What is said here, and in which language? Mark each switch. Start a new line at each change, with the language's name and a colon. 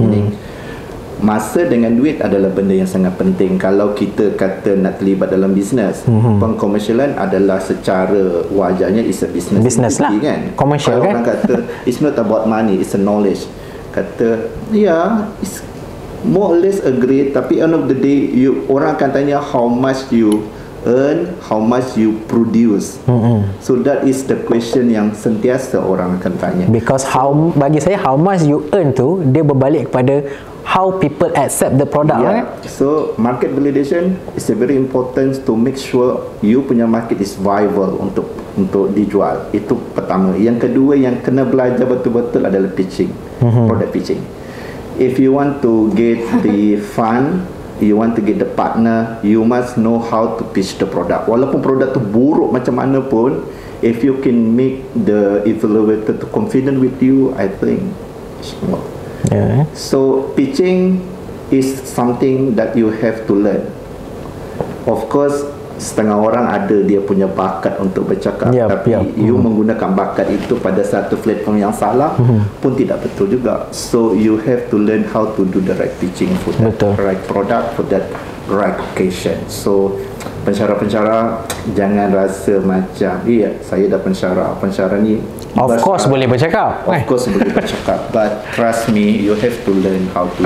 Malay: Meaning, masa dengan duit adalah benda yang sangat penting. Kalau kita kata nak terlibat dalam bisnes, pengkomersialan adalah secara wajarnya
English: is a business. Business lah, kan? Commercial
Malay: kalau kan? Orang kata,
English: it's not about money, it's a knowledge. Kata, yeah, it's more or less agree,
Malay: tapi
English: end of the day, you
Malay: orang akan tanya
English: how much you earn, how much you produce. So that is the question
Malay: yang sentiasa orang akan tanya.
English: Because how,
Malay: bagi saya,
English: how much you earn
Malay: tu, dia berbalik kepada
English: how people accept the product. Yeah. Right? So market validation is a very important to make sure you punya market is viable
Malay: untuk untuk dijual. Itu pertama. Yang kedua yang kena belajar betul-betul adalah pitching, product pitching.
English: If you want to get the fund, you want to get the partner, you must know how to pitch the product.
Malay: Walaupun produk tu buruk macam mana pun,
English: if you can make the evaluator to confident with you, I think it's more. Yeah. So pitching is something that you have to learn.
Malay: Of course, setengah orang ada dia punya bakat untuk bercakap, yep, tapi yep, you menggunakan bakat itu pada satu platform yang salah pun tidak betul juga.
English: So you have to learn how to do the right pitching for that right product, for that right occasion.
Malay: So pensyarah-pensyarah, jangan rasa macam, iya, saya dah pensyarah. Pensyarah ni
English: of course
Malay: bercakap, boleh bercakap. Of course boleh bercakap.
English: But trust me, you have to learn how to